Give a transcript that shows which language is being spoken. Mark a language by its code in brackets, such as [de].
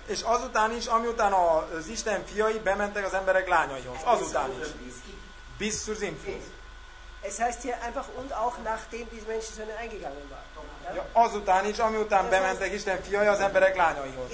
[hu] És azután is, amiután az Isten fiai bementek az emberek lányaihoz. Azután is. [de] Bis zur Sintflut. Es heißt hier einfach und auch nachdem die Menschensöhne eingegangen waren. [hu] Ja, azután is, amiután bementek Isten fiai az emberek lányaihoz.